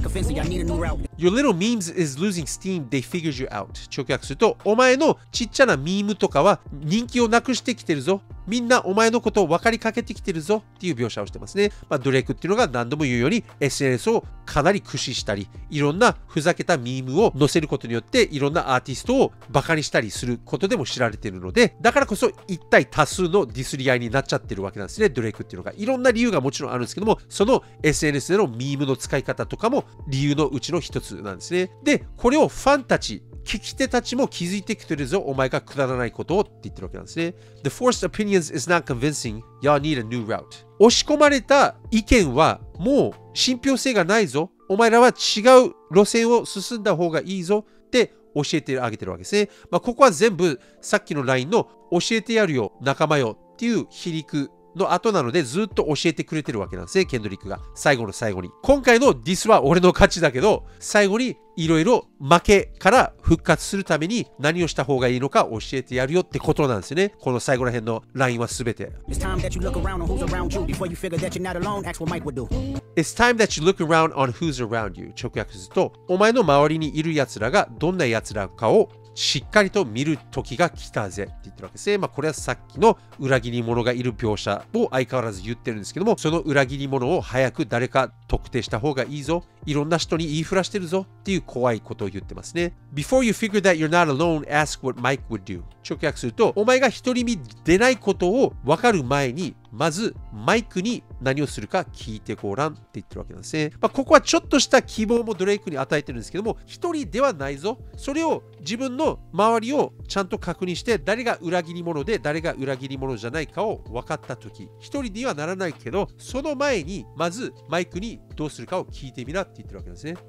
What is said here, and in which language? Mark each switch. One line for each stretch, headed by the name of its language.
English: Your little memes is losing steam, they figured you out.
Japanese: 直訳すると、お前のちっちゃなミームとかは人気をなくしてきてるぞ、みんなお前のことを分かりかけてきてるぞっていう描写をしてますね。まあ、ドレイクっていうのが何度も言うように SNS をかなり駆使したり、いろんなふざけたミームを載せることによっていろんなアーティストをバカにしたりすることでも知られているので、だからこそ一体多数のディスり合いになっちゃってるわけなんですね、ドレイクっていうのが。いろんな理由がもちろんあるんですけども、その SNS でのミームの使い方とかも理由のうちの一つなんですね。で、これをファンたち聞き手たちも気づいてきてるぞ、お前がくだらないことをって言ってるわけなんですね。
English: The forced opinions is not convincing. Y'all need a new route.
Japanese: 押し込まれた意見はもう信憑性がないぞ、お前らは違う路線を進んだ方がいいぞって教えてあげてるわけですね。まあ、ここは全部さっきの LINE の教えてやるよ仲間よっていう皮肉の後なので、ずっと教えてくれてるわけなんですね、ケンドリックが。最後の最後に、今回のディスは俺の勝ちだけど、最後にいろいろ負けから復活するために何をした方がいいのか教えてやるよってことなんですね、この最後ら辺の LINE は全て。
English: It's time that you look around on who's around you.
Japanese: 直訳すると、お前の周りにいるやつらがどんなやつらかをしっかりと見る時が来たぜって言ってるわけですね。まあ、これはさっきの裏切り者がいる描写を相変わらず言ってるんですけども、その裏切り者を早く誰か特定した方がいいぞ、いろんな人に言いふらしてるぞっていう怖いことを言ってますね。
English: Before you figure that you're not alone, ask what Mike would do.
Japanese: 直訳すると、お前が独り身でないことを分かる前にまずマイクに何をするか聞いてごらんって言ってるわけなんですね。まあ、ここはちょっとした希望もドレイクに与えてるんですけども、一人ではないぞ、それを自分の周りをちゃんと確認して、誰が裏切り者で誰が裏切り者じゃないかを分かった時、一人にはならないけど、その前にまずマイクにどうするかを聞いてみなって言ってるわけですね。